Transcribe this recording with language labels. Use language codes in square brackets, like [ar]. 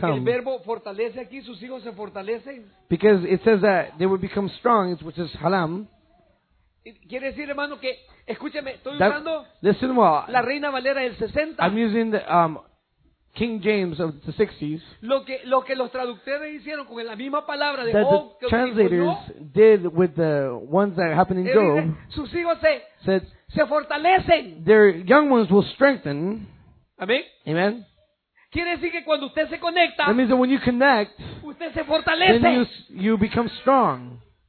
[es] porque el verbo fortalece aquí, sus hijos se fortalecen, [en] because it says that they would become strong, which is halam. [es] Quiere decir, hermano, que, escúcheme, estoy usando, [en] listen well, [es] la Reina Valera del 60. [en] I'm using the, King James of the 60s. [es] Lo que los traductores hicieron con la misma palabra de Job, que [en] the translators did with the ones that happened in Job. [es] Sus hijos se fortalecen. [en] Their young ones will strengthen. [es] Amén. [en] Amen. [es] Quiere decir que cuando usted se conecta, [en] that means that when you connect, [es] usted se fortalece. [en] Then you become strong.